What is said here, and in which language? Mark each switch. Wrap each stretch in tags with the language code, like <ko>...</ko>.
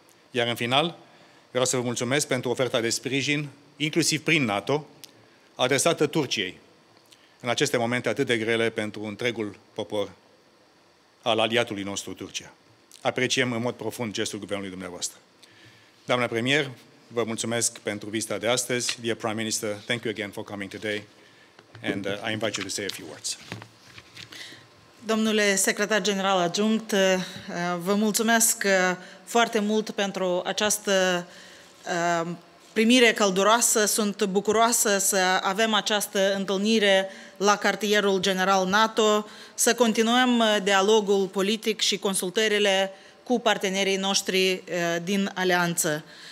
<ro>Iar în final, vreau să vă mulțumesc pentru oferta de sprijin, inclusiv prin NATO, adresată Turciei, în aceste momente atât de grele pentru întregul popor al aliatului nostru, Turcia. Apreciem în mod profund gestul guvernului dumneavoastră. Doamna premier, vă mulțumesc pentru vizita de astăzi.</ro> <en>Dear Prime Minister, thank you again for coming today and I invite you to say a few words.</en> <ro>Domnule secretar general adjunct, vă mulțumesc foarte mult pentru această primire călduroasă. Sunt bucuroasă să avem această întâlnire la cartierul general NATO, să continuăm dialogul politic și consultările cu partenerii noștri din alianță.</ro>